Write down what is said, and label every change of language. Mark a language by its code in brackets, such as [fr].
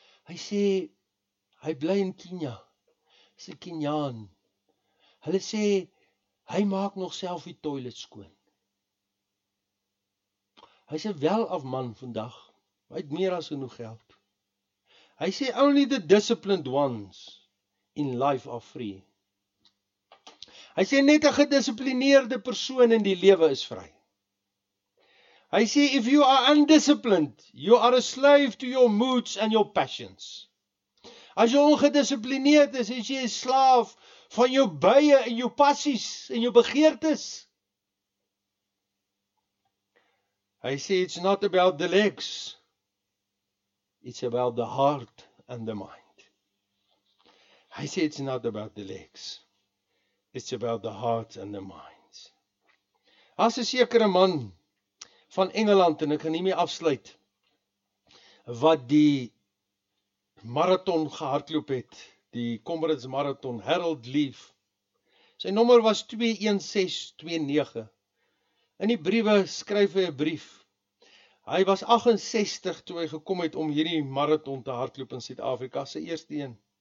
[af] Hy sê, hy bly in Kenia, sy Keniaan. Hulle sê, hy maak nog self die toilet skoon. Hy sê, wel af man vandag, hy het meer as genoeg geld. Hy sê, [en] only the disciplined ones in life are free. [af] Hy sê, net 'n gedisciplineerde persoon in die lewe is vry. Hy sê, [en] if you are undisciplined, you are a slave to your moods and your passions. [af] As jy ongedisciplineerd is, is jy 'n slaaf van jou buie en jou passies en jou begeertes. Hy sê, [en] it's not about the legs, it's about the heart and the mind. [af] Hy sê, [en] it's not about the legs, it's about the heart and the mind. [af] As 'n sekere man van Engeland, en ek kan nie meer afsluit, wat die marathon gehardloop het, die Comrades Marathon, Harold Leaf, sy nommer was 21629, in die briewe skryf hy 'n brief, hy was 68 toe hy gekom het om hierdie marathon te hardloop in Suid-Afrika, sy eerste een,